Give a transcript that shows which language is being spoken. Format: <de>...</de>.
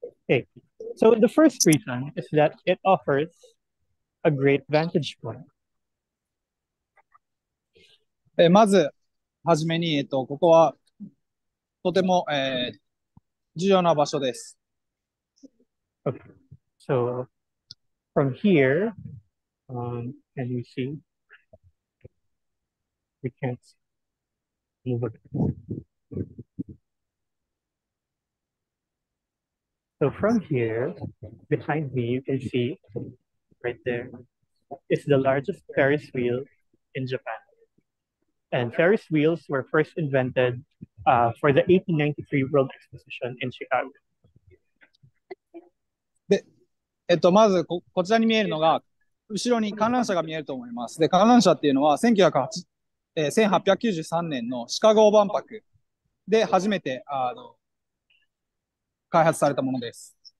<en>Okay. So the first reason is that it offers a great vantage point.</en> <ja>まずはじめに、ここはとても、重要な場所です。</ja> <en>Okay, so from here, can you see? We can't move it. So from here, behind me, you can see right there is the largest Ferris wheel in Japan. And Ferris wheels were first invented for the 1893 World Exposition in Chicago.</en> <ja>まず こちらに見えるのが、後ろに観覧車が見えると思います。で、観覧車っていうのは1893年のシカゴ万博で初めて開発されたものです。</ja>